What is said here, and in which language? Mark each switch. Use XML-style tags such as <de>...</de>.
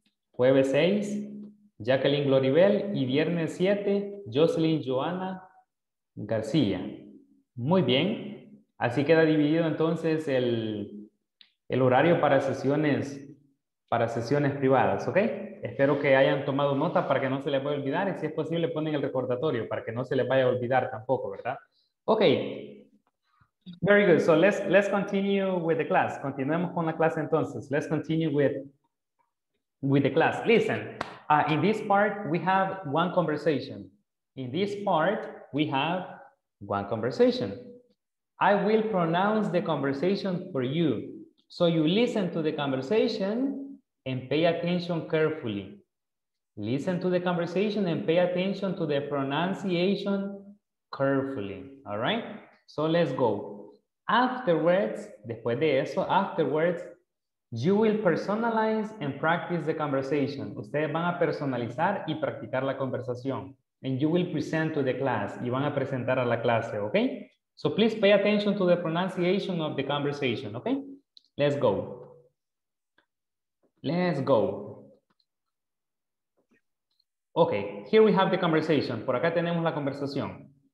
<es>Jueves 6, Jacqueline Gloribel. Y viernes 7, Jocelyn Joana García. Muy bien. Así queda dividido entonces el horario para sesiones privadas, ¿ok? Espero que hayan tomado nota para que no se les vaya a olvidar. Y si es posible, ponen el recordatorio para que no se les vaya a olvidar tampoco, ¿verdad? Ok.</es> <en>Very good. So let's continue with the class.</en> <es>Continuemos con la clase entonces.</es> <en>Let's continue with the class. Listen, in this part, we have one conversation. In this part, we have one conversation. I will pronounce the conversation for you. So you listen to the conversation and pay attention carefully. Listen to the conversation and pay attention to the pronunciation carefully. All right? So let's go. Afterwards,</en> <es>después de eso,</es> <en>afterwards, you will personalize and practice the conversation.</en> <es>Ustedes van a personalizar y practicar la conversación.</es> <en>And you will present to the class.</en> <es>Y van a presentar a la clase,</es> <en>okay? So please pay attention to the pronunciation of the conversation, okay? Let's go. Let's go. Okay, here we have the conversation.</en> <es>Por acá tenemos la conversación.</es>